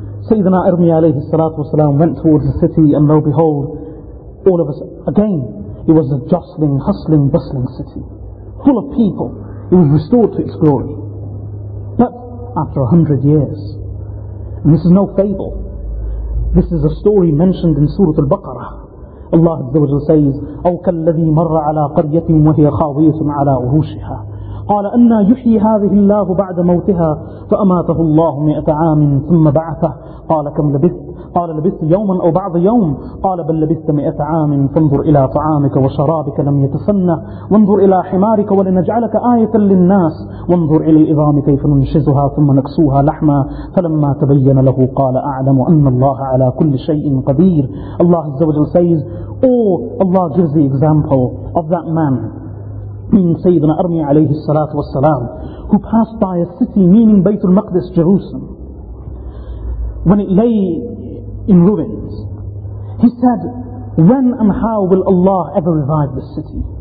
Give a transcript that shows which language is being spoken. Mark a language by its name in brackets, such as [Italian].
[English] Sayyidina Armiya alayhi salatu wasalam went towards the city, and lo and behold, all of us again, it was a jostling, hustling, bustling city, full of people. It was restored to its glory. But after 100 years, and this is no fable, this is a story mentioned in Surah Al-Baqarah. Allah Azza wa Jalla says, [Arabic] "أو كالذي مر على قرية وهي خاوية على عروشها قال أنا يحيي هذه الله بعد موتها فأماته الله 100 عام ثم بعثه قال كم لبثت قال لبثت يوما أو بعض يوم قال بل لبثت 100 عام فانظر إلى طعامك وشرابك لم يتسنه وانظر إلى حمارك ولنجعلك آية للناس وانظر إلى العظام كيف ننشزها ثم نكسوها لحما فلما تبين له قال أعلم أن الله على كل شيء قدير." [English] Allah Azza wa Jalla says, Allah gives the example of that man, being Sayyidina Armiya alayhi salatu wasalam, who passed by a city, meaning Baytul Maqdis, Jerusalem, when it lay in ruins. He said, "When and how will Allah ever revive this city?"